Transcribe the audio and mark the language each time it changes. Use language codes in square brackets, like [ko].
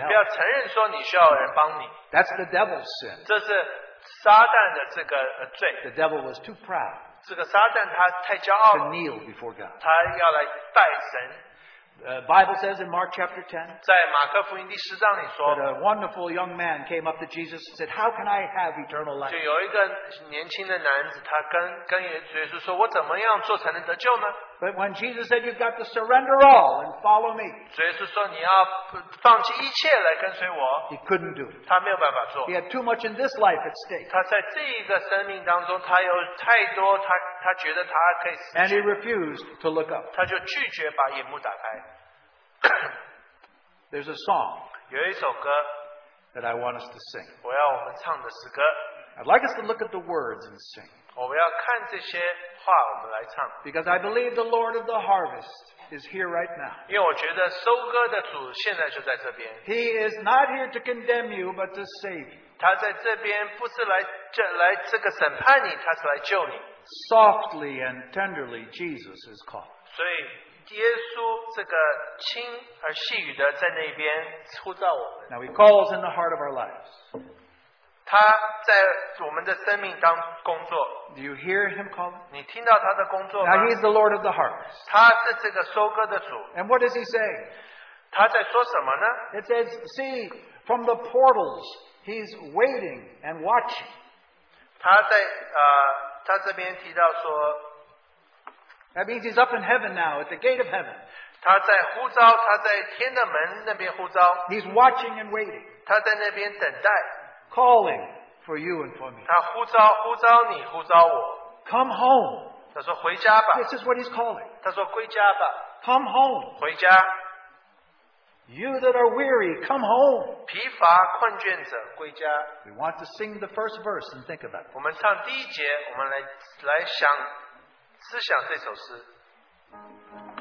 [zh] 你不要承认说你需要人帮你 [en] That's the devil's sin. [zh] 这是撒旦的这个罪 [en] The devil was too proud. [zh] 这个撒旦他太骄傲了 [en] to kneel before God. [zh] 他要来拜神。 [en] The Bible says in Mark chapter 10, [zh] 在马可福音第十章里说 [en] that a wonderful young man came up to Jesus and said, How can I have eternal life? [zh] 就有一个年轻的男子他跟耶稣说我怎么样做才能得救呢 [en] But when Jesus said, You've got to surrender all and follow me, [zh] 耶稣说你要放弃一切来跟随我 [en] He couldn't do it. [zh] 他没有办法做 [en] He had too much in this life at stake. [zh] 他在这一个生命当中他有太多他觉得他可以死去 [en] And he refused to look up. [zh] 他就拒绝把眼目打开 [en] There's a song [zh] 有一首歌 [en] that I want us to sing. [zh] 我要我们唱的诗歌 [en] I'd like us to look at the words and sing. [zh] 我们要看这些话我们来唱 [en] Because I believe the Lord of the harvest is here right now. [zh] 因为我觉得收割的主现在就在这边 [en] He is not here to condemn you, but to save you. [zh] 他在这边不是来这个审判你他是来救你 [en] Softly and tenderly, Jesus is called. [zh] 所以耶稣这个轻而细语的在那边呼召我们。 [en] Now he calls in the heart of our lives. [zh] 他在我们的生命当工作。 [en] Do you hear him calling? [zh] 你听到他的工作吗 [en] ？Now he's the Lord of the harvest. [zh] 他是这个收割的主。 [en] And what does he say? [zh] 他在说什么呢? [en] It says, see, from the portals, he's waiting and watching. [zh] 他在, 他这边提到说, [en] That means he's up in heaven now, at the gate of heaven. [zh] 他在呼召, 他在天的门那边呼召, [en] He's watching and waiting. [zh] 他在那边等待, [en] calling for you and for me. [zh] 他呼召, 呼召你, 呼召我。 [en] Come home. [zh] 他说回家吧。 [en] This is what he's calling. [zh] 他说回家吧。 [en] Come home. [zh] 回家。 [en] You that are weary, come home. [zh] 疲乏困倦者归家。 [en] We want to sing the first verse and think about it. [zh] 我们唱第一节，我们来想，思想这首诗。